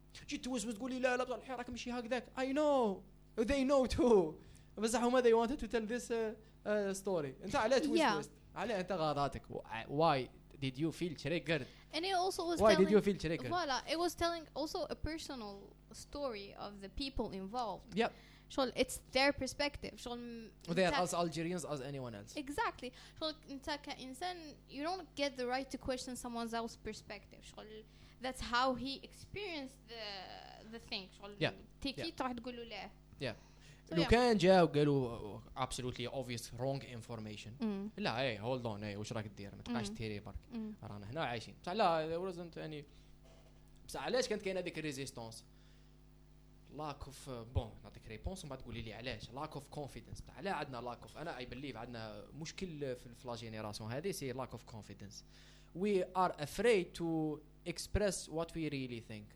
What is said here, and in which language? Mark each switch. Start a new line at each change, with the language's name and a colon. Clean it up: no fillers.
Arabic: جيت توز وتقول لي لا بصح الحراك ماشي هكذاك.
English: I know, they know too.
Arabic: بصح هما
English: they wanted to tell this story.
Arabic: انت علاه توز علاه انت غاضاتك.
English: Why did you feel triggered? And it also was why telling, did you feel triggered? Voila, it was telling also a personal story of the people involved. Yep.
Arabic: شغل
English: it's their perspective. شغل they are as Algerians as anyone else. Exactly.
Arabic: شغل انت كإنسان
English: you don't get the right to question someone else's perspective.
Arabic: شغل
English: that's how he experienced the thing.
Arabic: شغل تيكي تروح تقول له لا.
English: Yeah.
Arabic: لو كان جاء وقالوا
English: absolutely obvious wrong information.
Arabic: لا اي
English: hold on
Arabic: اي وش راك تدير ما تبقاش تيري برك. رانا هنا عايشين. بصح لا
English: there wasn't any.
Arabic: بصح علاش كانت كاينه هذيك الريزيستونس؟
English: lack of
Arabic: نعطيك ريبونس وما تقولي لي علاش
English: lack of confidence.
Arabic: علاه عندنا
English: lack of
Arabic: انا
English: I believe
Arabic: عندنا مشكل في الفلا جينيراسيون هذه سي
English: lack of confidence. We are afraid to express what we really think.